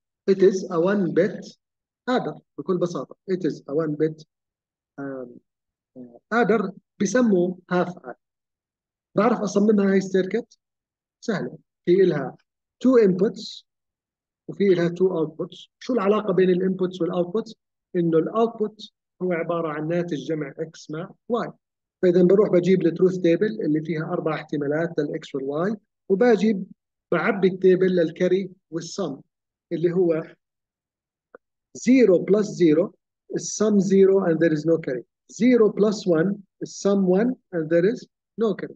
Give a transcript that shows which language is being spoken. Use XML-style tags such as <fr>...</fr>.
<en>It is a one bit adder</en> <ar>بكل بساطة.</ar> <en>It is a one bit adder</en> <ar>بسموه</ar> <en>half adder.</en> <ar>بعرف أصممها هاي السيركت سهلة، في إلها two inputs وفي إلها two outputs. شو العلاقة بين الانبوتس والاوتبوتس؟ إنه الاوتبوت هو عبارة عن ناتج جمع X مع Y. فإذا بروح بجيب التروث تيبل اللي فيها أربع احتمالات للإكس والواي، وباجيب بعبي التيبل للكاري والسم اللي هو</ar> <en>0 plus 0 is sum 0 and there is no carry. 0 plus 1 is sum 1 and there is no carry.</en>